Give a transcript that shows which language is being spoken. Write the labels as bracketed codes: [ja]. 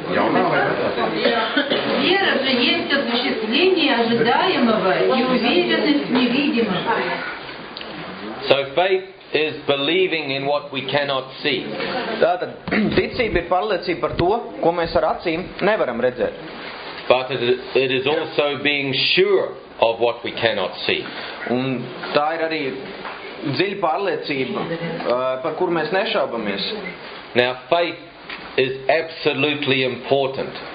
[ru] Вера же есть осуществление ожидаемого и уверенность в невидимом. [en] So faith is believing in what we cannot see. [lv] Tātad, ticība ir pārliecība par to, ko mēs ar acīm nevaram redzēt. [en] But it is also being sure of what we cannot see. [lv] Un tā ir arī dziļa pārliecība, par kuru mēs nešaubamies. [en] Now faith is absolutely important.